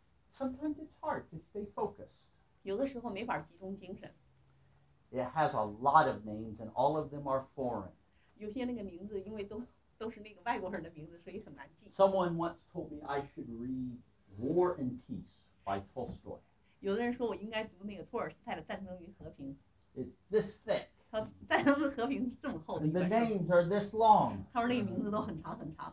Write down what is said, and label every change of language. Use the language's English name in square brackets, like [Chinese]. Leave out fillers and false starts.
[English] Sometimes it's hard to stay focused. [Chinese] 有的时候没法集中精神。 [English] It has a lot of names, and all of them are foreign. [Chinese] 有些那个名字，因为都是那个外国人的名字，所以很难记。 [English] Someone once told me I should read War and Peace by Tolstoy. [Chinese] 有的人说我应该读那个托尔斯泰的《战争与和平》。 [English] It's this thick. [Chinese] 他《战争与和平》这么厚的。 [English] And the names are this long. [Chinese] 他说那个名字都很长很长。